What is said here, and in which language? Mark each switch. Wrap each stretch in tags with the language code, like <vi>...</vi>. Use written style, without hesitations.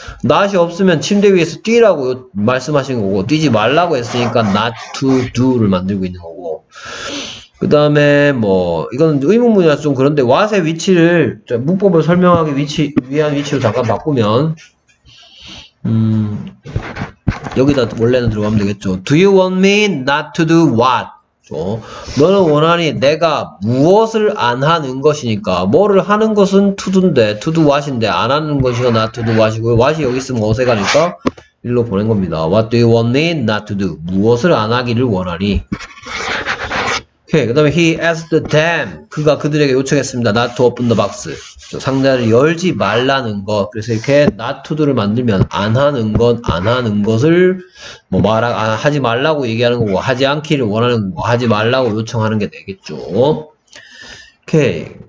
<ko>not이 없으면 침대 위에서 뛰라고 말씀하신 거고 뛰지 말라고 했으니까 not to do를 만들고 있는 거고. 그다음에 뭐 이건 의문문이라 좀 그런데 what의 위치를 문법을 설명하기 위한 위치로 잠깐 바꾸면 여기다 원래는 들어가면 되겠죠.</ko> <en>do you want me not to do what?</en> <ko>너는 원하니 내가 무엇을 안 하는 것이니까 뭐를 하는 것은 to do인데 to do what인데 안 하는 것이 not to do what이고 what이 여기 있으면 어색하니까 일로 보낸 겁니다.</ko> <en>What do you want me not to do?</en> <ko>무엇을 안 하기를 원하니? 오케이. 그 다음에</ko> <en>he asked them.</en> <ko>그가 그들에게 요청했습니다.</ko> <en>not to open the box.</en> <ko>상자를 열지 말라는 것. 그래서 이렇게 not to do를 만들면 안 하는 건 안 하는 것을 뭐 말하, 아, 하지 말라고 얘기하는 거고 하지 않기를 원하는 거고 하지 말라고 요청하는 게 되겠죠. 오케이.</ko>